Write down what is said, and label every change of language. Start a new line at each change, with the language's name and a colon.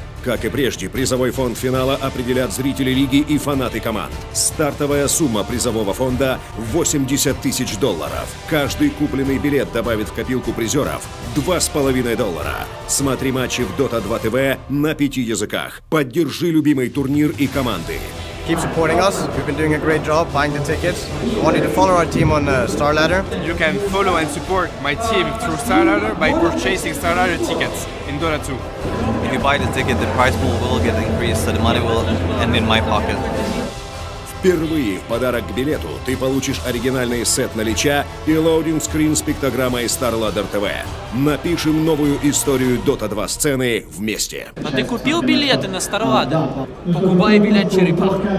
Russian: Как и прежде, призовой фонд финала определят зрители лиги и фанаты команд. Стартовая сумма призового фонда – $80,000. Каждый купленный билет добавит в копилку призеров – $2,500. Смотри матчи в Dota 2 TV на 5 языках. Поддержи любимый турнир и команды.
English: Keep supporting us. We've been doing a great job buying the tickets. I want you to follow our team on Star Ladder. You can follow and support my team through Star Ladder by purchasing Star Ladder tickets in Dota 2. If you buy the ticket, the prize pool will get increased, so the money will end in my pocket.
Russian: Впервые в подарок к билету ты получишь оригинальный сет на лича и лоудинг-скрин с пиктограммой Star Ladder TV. Напишем новую историю Dota 2 сцены вместе. А ты купил билеты на Star Ladder? Покупай билет, черепах.